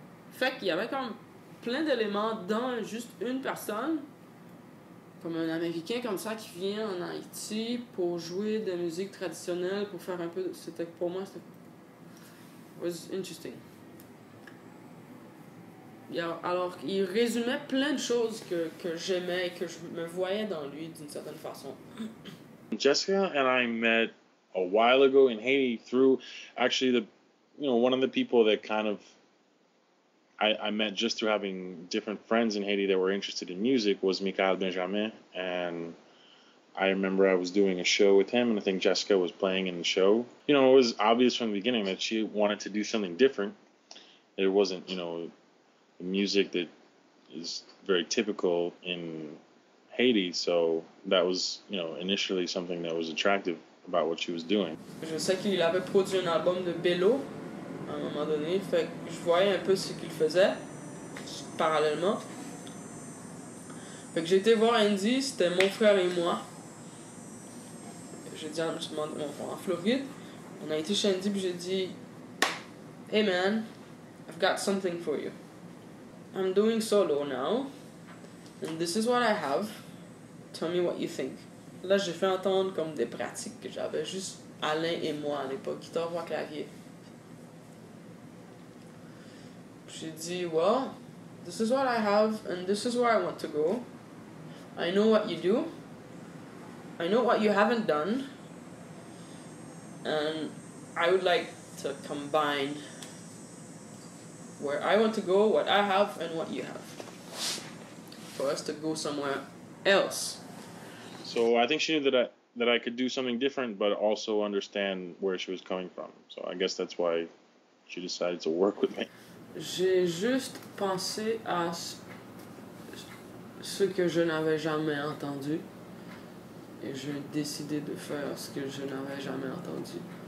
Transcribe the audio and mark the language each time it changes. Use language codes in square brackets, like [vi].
[fr] Fait qu'il y avait comme plein d'éléments dans juste une personne, comme un Américain comme ça qui vient en Haïti pour jouer de la musique traditionnelle, pour faire un peu, c'était pour moi, c'était, was interesting. Alors, il résumait plein de choses que j'aimais et que je me voyais dans lui d'une certaine façon. [en] Jessica and I met a while ago in Haiti through actually the, you know, one of the people that kind of I met just through having different friends in Haiti that were interested in music was Michael Benjamin. And I remember I was doing a show with him, and I think Jessica was playing in the show. You know, it was obvious from the beginning that she wanted to do something different. It wasn't, you know, music that is very typical in Haiti, so that was, you know, initially something that was attractive about what she was doing. [fr] Je sais qu'il avait produit un album de Bello à un moment donné, fait que je voyais un peu ce qu'il faisait parallèlement. Fait que j'ai été voir Andy, c'était mon frère et moi. J'ai dit en Floride, on a été chez Andy, puis j'ai dit, hey man, I've got something for you. [en] I'm doing solo now, and this is what I have. Tell me what you think. [fr] Là, j'ai fait entendre comme des pratiques que j'avais juste Alain et moi à l'époque, guitare, voix, clavier. [en] J'ai dit, well, this is what I have, and this is where I want to go. I know what you do. I know what you haven't done. And I would like to combine where I want to go, what I have, and what you have, for us to go somewhere else. So I think she knew that I could do something different, but also understand where she was coming from. So I guess that's why she decided to work with me. [fr] J'ai juste pensé à ce que je n'avais jamais entendu, et j'ai décidé de faire ce que je n'avais jamais entendu.